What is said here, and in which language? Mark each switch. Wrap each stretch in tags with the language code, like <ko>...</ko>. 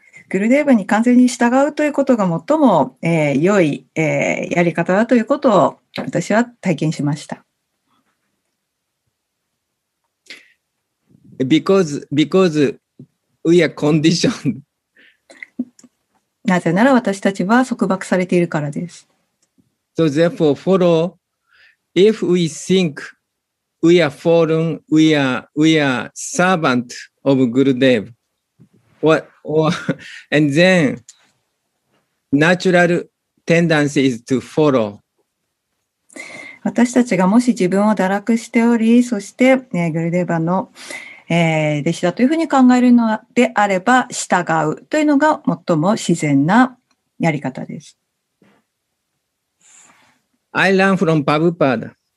<ja>グルデーヴに完全に従うということが最も、良い、やり方だということを私は体験しました。</ja> <en>because we are conditioned.</en> <ja>なぜなら私たちは束縛されているからです。</ja> <en>So therefore follow, if we think we are fallen, we are servant of Gurudev, and then natural tendency is to follow.</en> <ja>私たちがもし自分を堕落しており、そして、グルデバの、弟子だというふうに考えるのであれば、従うというのが最も自然なやり方です。</ja> <en>I learn from Prabhupada.</en>